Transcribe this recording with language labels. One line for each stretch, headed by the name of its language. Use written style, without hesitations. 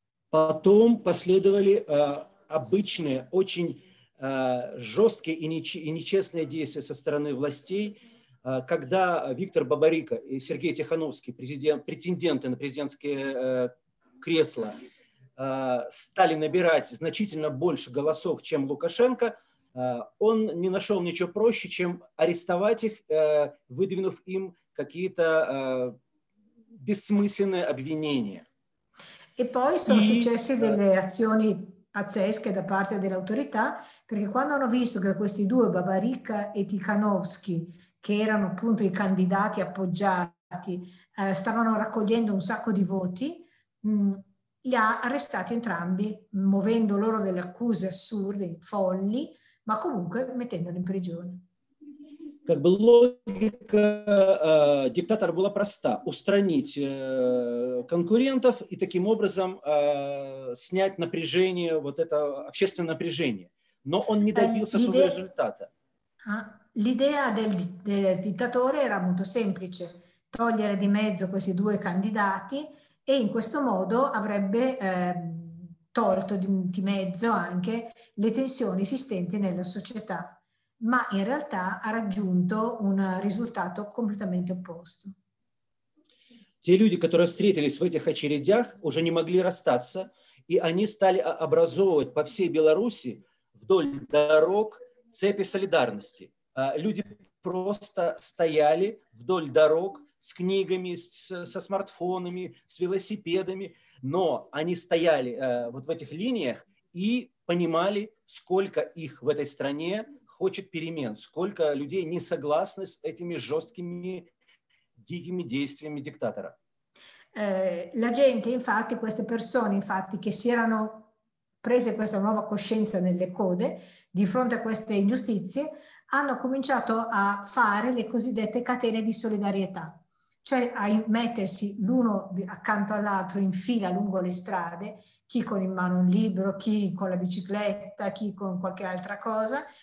Russian: Потом последовали обычные, очень жесткие и нечестные действия со стороны властей, когда Виктор Бабарико и Сергей Тихановский, претенденты на президентское кресло, стали набирать значительно больше голосов, чем Лукашенко, он не нашел ничего проще, чем арестовать их, выдвинув им какие-то бессмысленное обвинение.
Italian: E poi sono successe delle azioni pazzesche da parte dell'autorità, perché quando hanno visto che questi due, Babarica e Tikhanovsky, che erano appunto i candidati appoggiati, stavano raccogliendo un sacco di voti, li ha arrestati entrambi, muovendo loro delle accuse assurde, folli, ma comunque mettendoli in prigione.
Russian: Как бы логика диктатора была проста – устранить конкурентов и таким образом снять напряжение, вот это общественное напряжение. Но он не добился своего результата.
Italian: L'idea del dittatore era molto semplice – togliere di mezzo questi due candidati e in questo modo avrebbe tolto di mezzo anche le tensioni esistenti nella società. Ma in realtà ha raggiunto un risultato completamente opposto.
Russian: Те люди, которые встретились в этих очередях, уже не могли расстаться, и они стали образовывать по всей Беларуси вдоль дорог цепи солидарности. Люди просто стояли вдоль дорог с книгами, со смартфонами, с велосипедами, но они стояли вот в этих линиях и понимали, сколько их в этой стране хочет перемен, сколько людей не согласны с этими жесткими, дикими действиями диктатора.
Italian: La gente, infatti, queste persone, infatti, che si erano prese questa nuova coscienza nelle code, di fronte a queste ingiustizie, hanno cominciato a fare le cosiddette catene di solidarietà, cioè a mettersi l'uno accanto all'altro in fila lungo le strade, chi con in mano un libro, chi con la bicicletta, chi con qualche altra cosa,